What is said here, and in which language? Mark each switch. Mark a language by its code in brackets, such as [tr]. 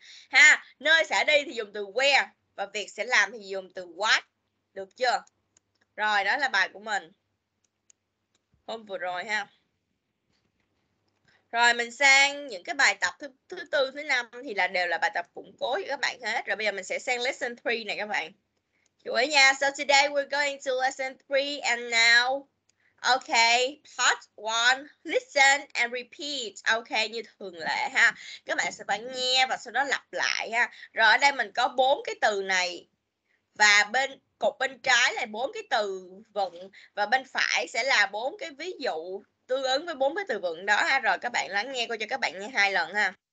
[vi] Ha, nơi sẽ đi thì dùng từ where và việc sẽ làm thì dùng từ what, được chưa? Rồi đó là bài của mình hôm vừa rồi ha. Rồi mình sang những cái bài tập thứ tư, thứ năm thì là đều là bài tập củng cố cho các bạn hết. Rồi bây giờ mình sẽ sang lesson 3 này các bạn, chú ý nha. [en] So today we're going to lesson 3 and now, okay, part 1, listen and repeat. [vi] Okay, như thường lệ ha, các bạn sẽ phải nghe và sau đó lặp lại ha. Rồi ở đây mình có 4 cái từ này, và bên cột bên trái là 4 cái từ vựng, và bên phải sẽ là 4 cái ví dụ tương ứng với 4 cái từ vựng đó ha. Rồi các bạn lắng nghe, coi cho các bạn nghe 2 lần ha.